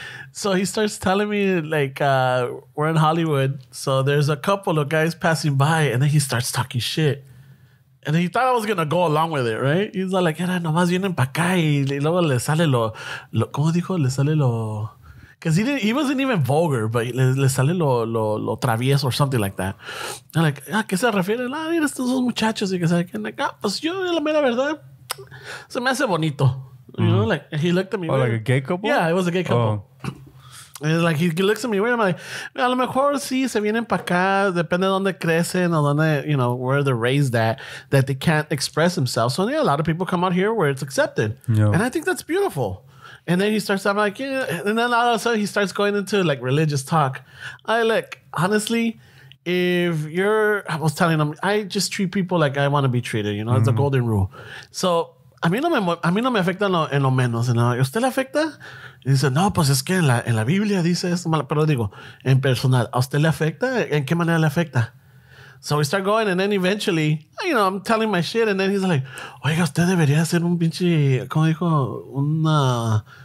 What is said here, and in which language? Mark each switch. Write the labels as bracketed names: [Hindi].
[English] So he starts telling me, like, we're in Hollywood, so there's a couple of guys passing by, and then he starts talking shit. And he thought I was going to go along with it, right? He's all like, [Spanish] era nomás vienen pa' acá y luego le sale lo... ¿Cómo dijo? Le sale lo... [English] Because he wasn't even vulgar, but [Spanish] le sale lo travieso [English] or something like that. I'm like, [Spanish] ¿a qué se refiere? Ah, mira estos dos muchachos. Y que sabe que... Like, pues yo, la mera verdad, se me hace bonito. [English] You know, like, he looked at me. Oh, like a gay couple? Yeah, it was a gay couple. Oh. It's like he looks at me weird. I'm like, [Spanish] a lo mejor sí se vienen para acá, depende de donde crecen o donde, [English] you know, where they're raised at, that they can't express themselves. So yeah, a lot of people come out here where it's accepted. Yeah. And I think that's beautiful. And then he starts, I'm like, yeah. And then all of a sudden he starts going into like religious talk. Honestly, I was telling him, I just treat people like I want to be treated, you know, it's a golden rule. [Spanish] So a mí no me afecta en lo menos. ¿No? ¿Usted le afecta? Y dice, no, pues es que en la Biblia dice esto. Pero digo, en personal, ¿a usted le afecta? ¿En qué manera le afecta? [English] So we start going, and then eventually, you know, I'm telling my shit, and then he's like, [Spanish] oiga, usted debería ser un pinche, como dijo, una...